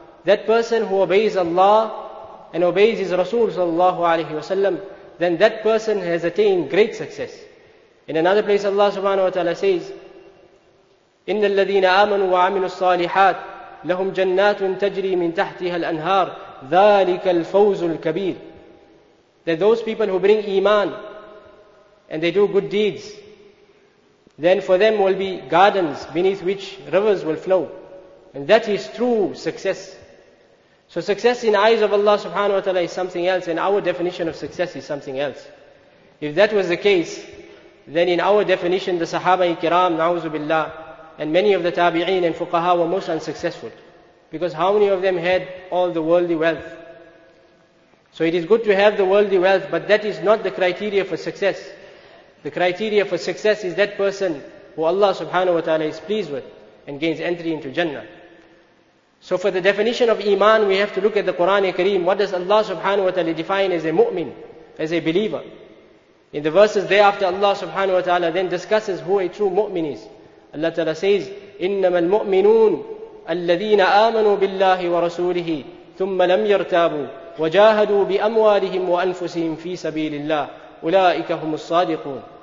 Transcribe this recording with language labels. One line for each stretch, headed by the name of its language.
English: That person who obeys Allah and obeys his Rasul sallallahu alayhi wa sallam, then that person has attained great success. In another place Allah subhanahu wa ta'ala says,
Arabic: إِنَّ الَّذِينَ آمَنُوا وَعَمِلُوا الصَّالِحَاتِ لَهُمْ جَنَّاتٌ تَجْرِي مِنْ تَحْتِهَا الْأَنْهَارِ ذَلِكَ الْفَوْزُ الْكَبِيرِ.
English: That those people who bring Iman and they do good deeds, then for them will be gardens beneath which rivers will flow. And that is true success. So success in the eyes of Allah subhanahu wa ta'ala is something else, and our definition of success is something else. If that was the case, then in our definition, the Sahaba ikram, na'uzu billah, and many of the tabi'een and fuqaha were most unsuccessful. Because how many of them had all the worldly wealth? So it is good to have the worldly wealth, but that is not the criteria for success. The criteria for success is that person who Allah subhanahu wa ta'ala is pleased with and gains entry into Jannah. So for the definition of iman, we have to look at the Quran Kareem. What does Allah subhanahu wa ta'ala define as a mu'min, as a believer? In the verses thereafter, Allah subhanahu wa ta'ala then discusses who a true mu'min is. Allah ta'ala says,
Arabic: إِنَّمَا الْمُؤْمِنُونَ الَّذِينَ آمَنُوا بِاللَّهِ وَرَسُولِهِ ثُمَّ لَمْ يَرْتَابُوا وَجَاهَدُوا بِأَمْوَالِهِمْ وَأَنفُسِهِمْ فِي سَبِيلِ اللَّهِ أُولَٰئِكَ هُمُ الصَّادِقُونَ.